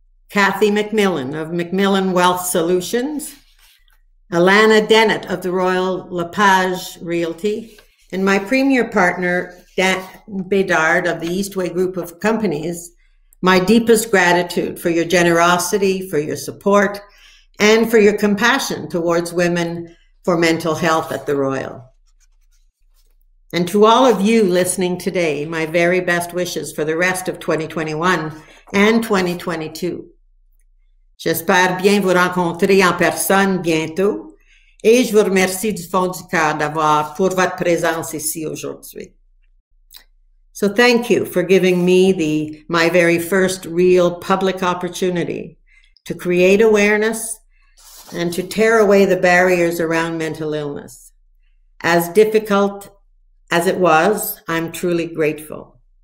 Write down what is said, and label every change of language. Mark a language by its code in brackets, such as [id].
[en] Kathy McMillan of McMillan Wealth Solutions, Alana Dennett of the Royal LePage Realty, and my premier partner, Dan Bedard of the Eastway Group of Companies, my deepest gratitude for your generosity, for your support, and for your compassion towards women for mental health at the Royal. And to all of you listening today, my very best wishes for the rest of 2021 and 2022. [fr] J'espère bien vous rencontrer en personne bientôt, et je vous remercie du fond du cœur d'avoir pour votre présence ici aujourd'hui. [en] So thank you for giving me my very first real public opportunity to create awareness and to tear away the barriers around mental illness. As difficult as it was, I'm truly grateful.